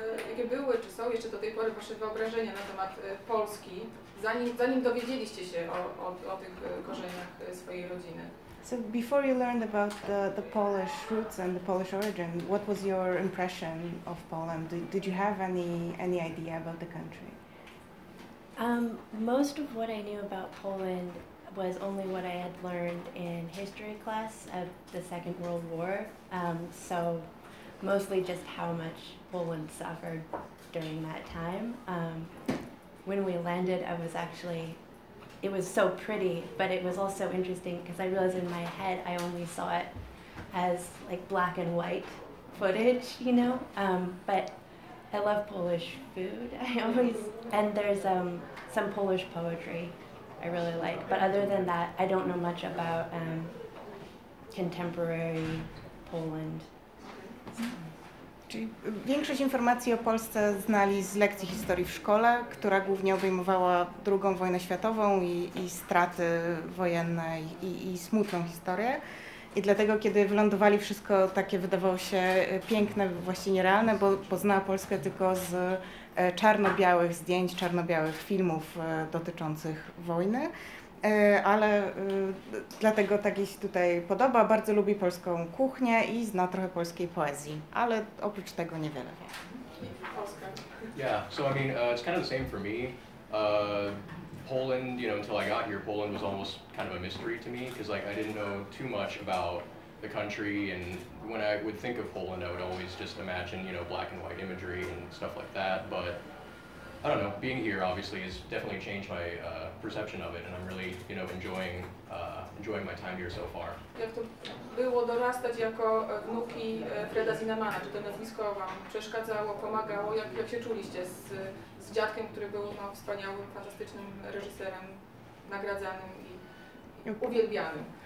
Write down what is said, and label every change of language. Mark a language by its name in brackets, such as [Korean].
[Polish] Jakie były, czy są jeszcze do tej pory wasze wyobrażenia na temat Polski, zanim dowiedzieliście się o tych korzeniach swojej rodziny? [English] So before you learned about the Polish roots and the Polish origin, what was your impression of Poland? Did you have any idea about the country? Most of what I knew about Poland was only what I had learned in history class of the Second World War. So mostly just how much Poland suffered during that time. When we landed, it was so pretty, but it was also interesting because I realized in my head I only saw it as like black and white footage, you know? But I love Polish food. And there's some Polish poetry I really like. But other than that, I don't know much about contemporary Poland. [Polish] Czyli większość informacji o Polsce znali z lekcji historii w szkole, która głównie obejmowała II wojnę światową i straty wojenne i smutną historię. I dlatego, kiedy wylądowali, wszystko takie wydawało się piękne, właściwie nierealne, bo poznała Polskę tylko z czarno-białych zdjęć, czarno-białych filmów dotyczących wojny. ale dlatego tak jej się tutaj podoba, bardzo lubi polską kuchnię i zna trochę polskiej poezji, ale oprócz tego niewiele wie. [English] Yeah, so I mean, it's kind of the same for me. Poland, you know, until I got here, Poland was almost kind of a mystery to me because, like, I didn't know too much about the country. And when I would think of Poland, I would always just imagine, you know, black and white imagery and stuff like that. But I don't know, being here obviously has definitely changed my perception of it, and I'm really, you know, enjoying my time here so far. [Polish] Jak to było dorastać jako wnuki Freda Zinnemana? Czy to nazwisko wam przeszkadzało, pomagało? Jak się czuliście z dziadkiem, który był no, wspaniałym, fantastycznym reżyserem, nagradzanym i uwielbianym?